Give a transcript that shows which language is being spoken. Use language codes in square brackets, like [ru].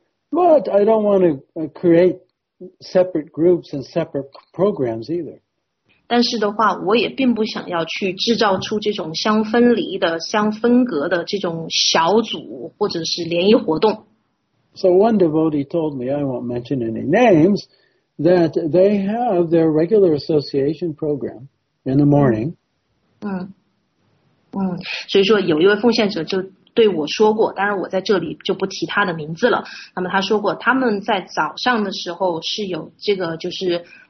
[en] But I don't want to create separate groups and separate programs either. [zh] 但是的话，我也并不想要去制造出这种相分离的、相分隔的这种小组或者是联谊活动。So [en] one devotee told me, I won't mention any names, that they have their regular association program in the morning. [zh] 所以说有一位奉献者就对我说过，当然我在这里就不提他的名字了。那么他说过，他们在早上的时候是有这个就是。